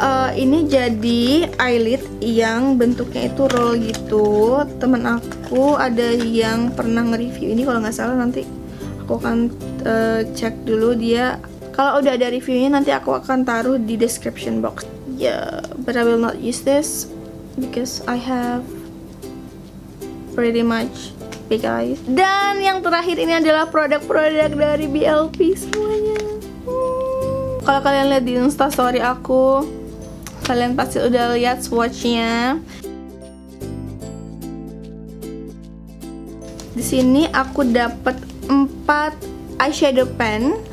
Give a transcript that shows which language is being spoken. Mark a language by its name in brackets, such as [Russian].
[Indonesian] Ini jadi eyelid yang bentuknya itu roll gitu. Temen aku ada yang pernah nge-review ini, kalau nggak salah nanti aku akan cek dulu dia. Kalau udah ada reviewnya nanti aku akan taruh di description box. [English] Yeah, but I will not use this because I have pretty much big eyes. [Indonesian] Dan yang terakhir ini adalah produk-produk dari BLP semuanya. Kalau kalian lihat di instastory aku, kalian pasti udah lihat swatchnya. Di sini aku dapat 4 eyeshadow pen.